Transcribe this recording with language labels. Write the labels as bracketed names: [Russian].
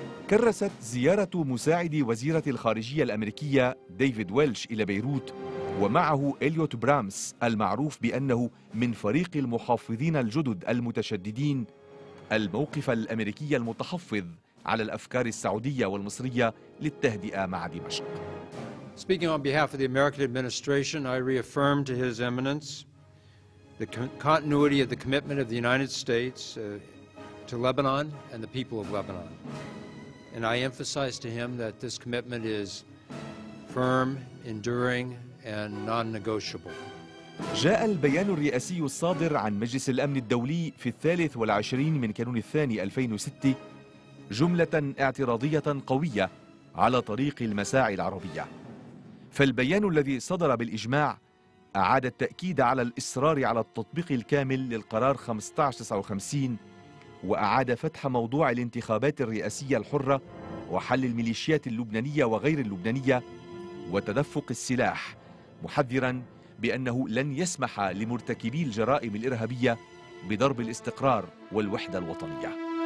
[Arabic] كرست زيارة مساعد وزيرة الخارجية الأمريكية ديفيد ويلش إلى بيروت ومعه إليوت برامس المعروف بأنه من فريق المحافظين الجدد المتشددين، الموقف الأمريكي المتحفظ على الأفكار السعودية والمصرية للتهدئة مع دمشق. [English] Speaking on behalf of the American administration, I reaffirm to His Eminence the continuity of the commitment of the United States to Lebanon and the people of Lebanon. And I emphasize to him that this commitment is firm, enduring, and non-negotiable. [Arabic] جاء البيان الرئاسي الصادر عن مجلس الأمن الدولي في 23 من كانون الثاني 2006 جملة اعتراضية قوية على طريق المساعي العربية. فالبيان الذي صدر بالإجماع أعاد التأكيد على الإصرار على التطبيق الكامل للقرار 1559، وأعاد فتح موضوع الانتخابات الرئاسية الحرة وحل الميليشيات اللبنانية وغير اللبنانية وتدفق السلاح، محذراً بأنه لن يسمح لمرتكبي الجرائم الإرهابية بضرب الاستقرار والوحدة الوطنية.